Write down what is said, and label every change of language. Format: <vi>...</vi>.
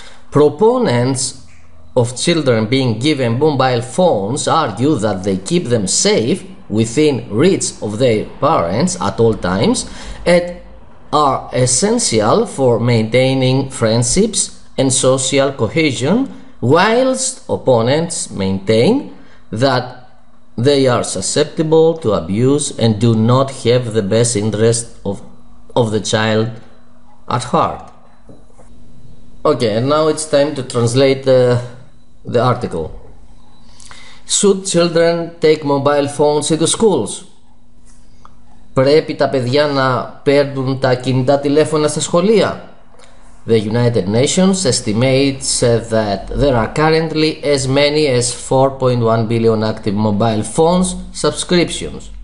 <en>Proponents of children being given mobile phones argue that they keep them safe within reach of their parents at all times and are essential for maintaining friendships and social cohesion, whilst opponents maintain that they are susceptible to abuse and do not have the best interest of the child at heart. Okay, and now it's time to translate the article. Should children take mobile phones into schools?</en> <el>Πρέπει τα παιδιά να παίρνουν τα κινητά τηλέφωνα στα σχολεία?</el> <en>The United Nations estimates that there are currently as many as 4.1 billion active mobile phones subscriptions.</en>